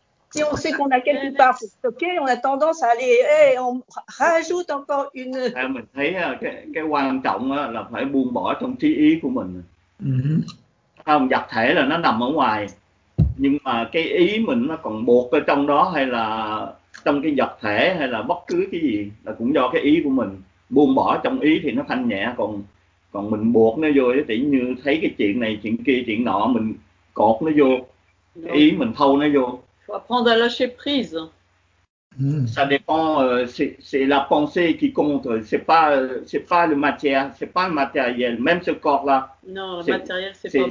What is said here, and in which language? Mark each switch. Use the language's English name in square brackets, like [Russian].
[French] Si on sait qu'on a quelque part pour stocker, on a tendance à aller, on rajoute encore une... [Vietnamese] Mình thấy cái quan trọng là phải buông bỏ trong trí ý của mình. Không, vật thể là nó nằm ở ngoài, nhưng mà cái ý mình nó còn buộc ở trong đó hay là trong cái vật thể hay là bất cứ cái gì là cũng do cái ý của mình. Buông bỏ trong ý thì nó thanh nhẹ, còn mình buộc nó vô, tỉ như thấy cái chuyện này, chuyện kia, chuyện nọ, mình cột nó vô, cái ý mình thâu nó vô. [French] Apprendre à lâcher prise. Ça dépend, c'est la pensée qui compte, c'est pas le matière, c'est pas le matériel, même ce corps-là. Non, le matériel, c'est pas bon.